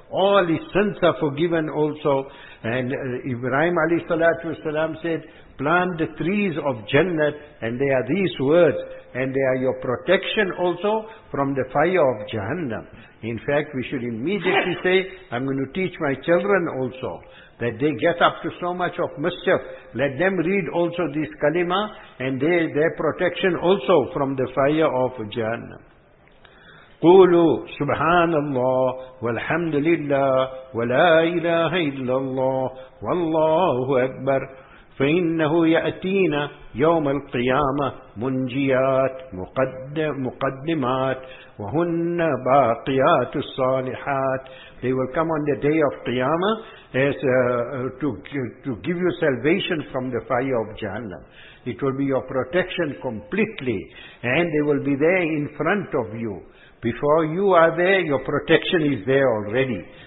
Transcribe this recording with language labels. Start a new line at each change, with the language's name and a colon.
English: All his sins are forgiven also. And Ibrahim alayhi salatu wasalam said, plant the trees of Jannat, and they are these words, and they are your protection also from the fire of Jahannam. In fact, we should immediately say, I'm going to teach my children also, that they get up to so much of mischief, let them read also this kalima, and they their protection also from the fire of Jahannam.
Arabic: قولوا سبحان الله والحمد لله ولا إله إلا الله والله أكبر فإنه يأتينا يوم القيامة منجيات مقدمات وهن باقيات الصالحات.
English: They will come on the day of Qiyamah as to give you salvation from the fire of Jahannam. It will be your protection completely, and they will be there in front of you. Before you are there, your protection is there already.